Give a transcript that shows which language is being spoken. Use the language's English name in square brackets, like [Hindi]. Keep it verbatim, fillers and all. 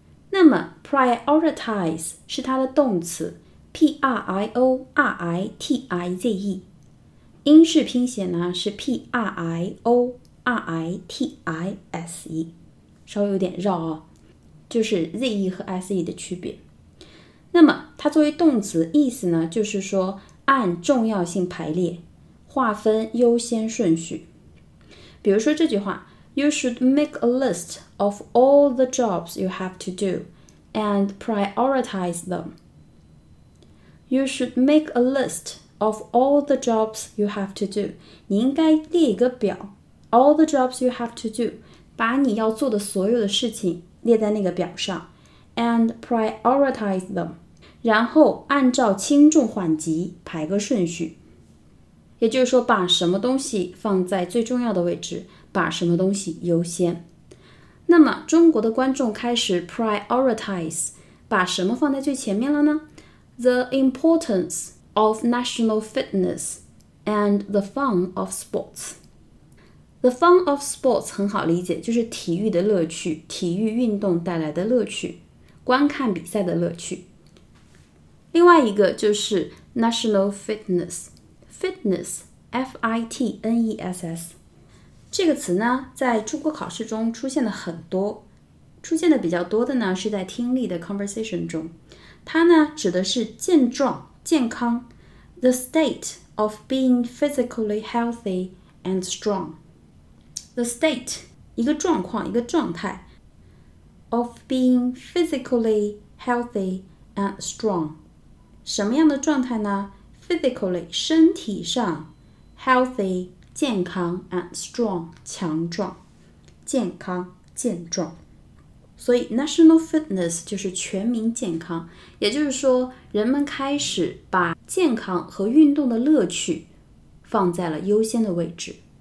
[Chinese] 那么 prioritize 是它的动词 P R I O R I T I Z E， 英式拼写呢是 P R I O R I T I S E， 稍微有点绕哦，就是 Z E 和 S E 的区别。那么它作为动词，意思呢就是说按重要性排列，划分优先顺序。 [English] 比如说这句话 You should make a list of all the jobs you have to do and prioritize them. You should make a list of all the jobs you have to do. [Chinese] 你应该列一个表 [English] all the jobs you have to do [Chinese] 把你要做的所有的事情列在那个表上 [English] and prioritize them. [Chinese] 然后按照轻重缓急排个顺序。也就是说，把什么东西放在最重要的位置，把什么东西优先。那么中国的观众开始 prioritize， 把什么放在最前面了呢？ [English] The importance of national fitness and the fun of sports. The fun of sports [Chinese] 很好理解，就是体育的乐趣，体育运动带来的乐趣，观看比赛的乐趣。另外一个就是 national fitness。Fitness, F I T N E S S 这个词呢，在中国考试中出现了很多，出现的比较多的呢，是在听力的 conversation 中。它呢，指的是健壮、健康 [English] ，the state of being physically healthy and strong. The state [Chinese] 一个状况，一个状态 [English] of being physically healthy and strong. [Chinese] 什么样的状态呢？ Physically 身体上 healthy 健康 and strong 强壮健康健壮，所以 national fitness 就是全民健康，也就是说人们开始把健康和运动的乐趣放在了优先的位置